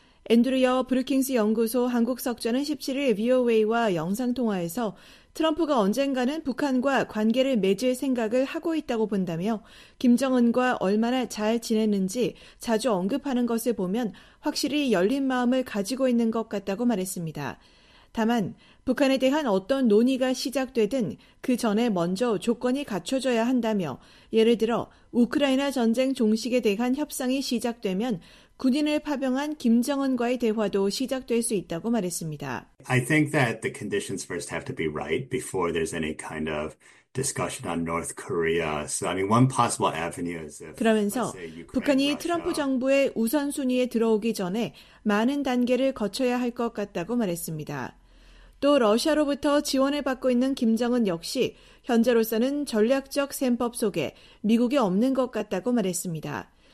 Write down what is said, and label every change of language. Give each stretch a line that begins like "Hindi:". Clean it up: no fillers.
Korean: 앤드류 브루킹스 연구소 한국석좌는 17일 VOA와 영상통화에서 트럼프가 언젠가는 북한과 관계를 맺을 생각을 하고 있다고 본다며 김정은과 얼마나 잘 지냈는지 자주 언급하는 것을 보면 확실히 열린 마음을 가지고 있는 것 같다고 말했습니다. 다만 북한에 대한 어떤 논의가 시작되든 그 전에 먼저 조건이 갖춰져야 한다며 예를 들어 우크라이나 전쟁 종식에 대한 협상이 시작되면 군인을 파병한 김정은과의 대화도 시작될 수 있다고 말했습니다.
English: I think that the conditions first have to be right before there's any kind of discussion on North Korea. So I mean one possible avenue is if
Korean: 그러면서 북한이 트럼프 정부의 우선순위에 들어오기 전에 많은 단계를 거쳐야 할 것 같다고 말했습니다. 또 러시아로부터 지원을 받고 있는 김정은 역시 현재로서는 전략적 셈법 속에 미국이 없는 것 같다고 말했습니다.